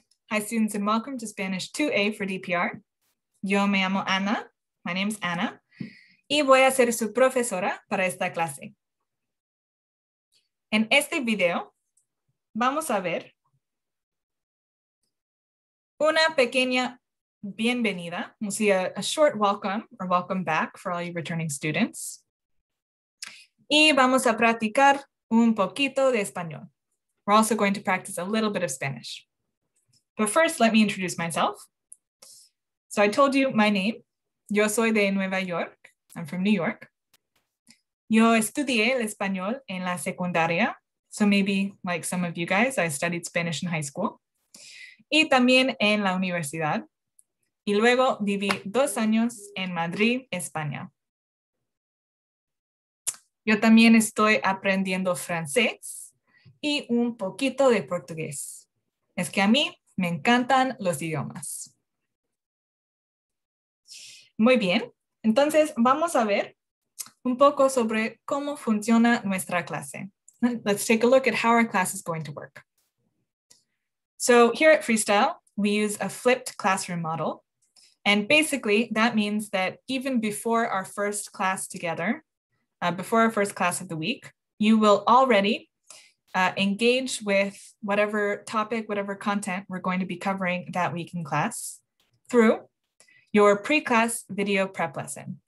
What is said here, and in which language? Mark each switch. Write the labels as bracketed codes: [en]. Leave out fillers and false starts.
[en] Hi students and welcome to Spanish 2A for DPR. [es] Yo me llamo Ana, [en] my name's Ana, [es] y voy a ser su profesora para esta clase. En este video vamos a ver una pequeña bienvenida. [en] We'll see a short welcome or welcome back for all you returning students. [es] Y vamos a practicar un poquito de español. [en] We're also going to practice a little bit of Spanish. But first, let me introduce myself. So I told you my name. [es] Yo soy de Nueva York. [en] I'm from New York. [es] Yo estudié el español en la secundaria. [en] So maybe like some of you guys, I studied Spanish in high school. [es] Y también en la universidad. Y luego viví 2 años en Madrid, España. Yo también estoy aprendiendo francés y un poquito de portugués. Es que a mí me encantan los idiomas. Muy bien, entonces vamos a ver un poco sobre cómo funciona nuestra clase. [en] Let's take a look at how our class is going to work. So here at Freestyle, we use a flipped classroom model. And basically that means that even before our first class together, before our first class of the week, you will already engage with whatever topic, whatever content we're going to be covering that week in class through your pre-class video prep lesson.